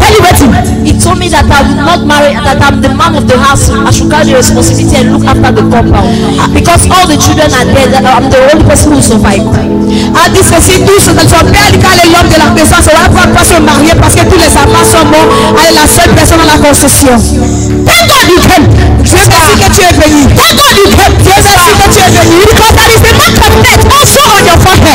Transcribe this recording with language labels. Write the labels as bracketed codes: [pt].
[en] that I'm the man of the house, I should carry the responsibility and look after the compound. Because all the children are dead, I'm the only person who survived. [fr] A dit ceci, tout ce que son père dit qu'elle est l'homme de la maison, ça va pouvoir pas se marier parce que tous les enfants sont morts. Elle est la seule personne dans la construction. Dieu merci que tu es venu. [en] Because there is a mark of death also on your forehead.